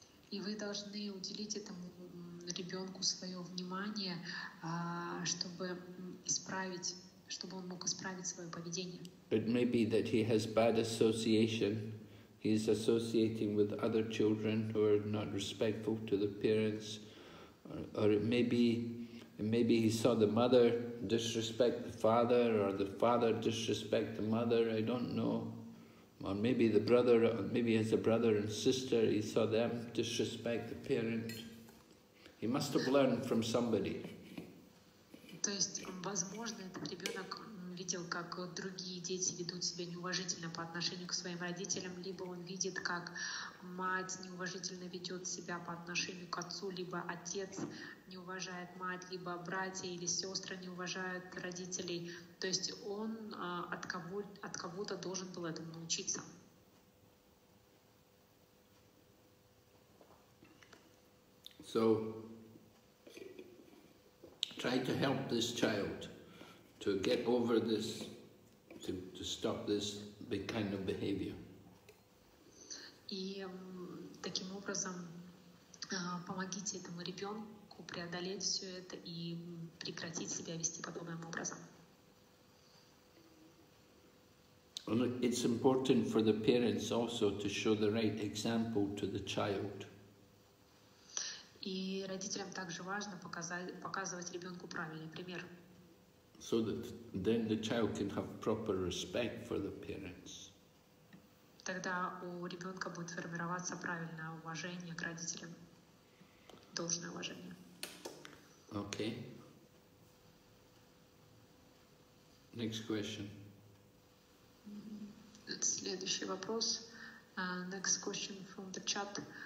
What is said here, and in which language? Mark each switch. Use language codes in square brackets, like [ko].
[ru] И вы должны уделить этому ребенку свое внимание, чтобы исправить, чтобы он мог исправить свое поведение. [en] It may be that he has bad association. He is associating with other children who are not respectful to the parents, or it may be And maybe he saw the mother disrespect the father, or the father disrespect the mother, I don't know. Or maybe the brother, maybe as a brother and sister, he saw them disrespect the parent. He must have learned from somebody. [ru] То есть, возможно, этот ребенок видел, как другие дети ведут себя неуважительно по отношению к своим родителям, либо он видит, как мать неуважительно ведет себя по отношению к отцу, либо отец не уважает мать, либо братья или сестры не уважают родителей. То есть он от кого-то должен был этому научиться. [en] So, try to help this child to get over this, to stop this big kind of behavior. [ru] И таким образом помогите этому ребенку преодолеть все это и прекратить себя вести подобным образом. [en] And it's important for the parents also to show the right example to the child. [ru] И родителям также важно показывать ребенку правильный пример. [en] So that then the child can have proper respect for the parents. [ru] Тогда у ребенка будет формироваться правильное уважение к родителям. Должное уважение. [en] Okay. Next question. [ru] Следующий вопрос. [en] Next question from the chat.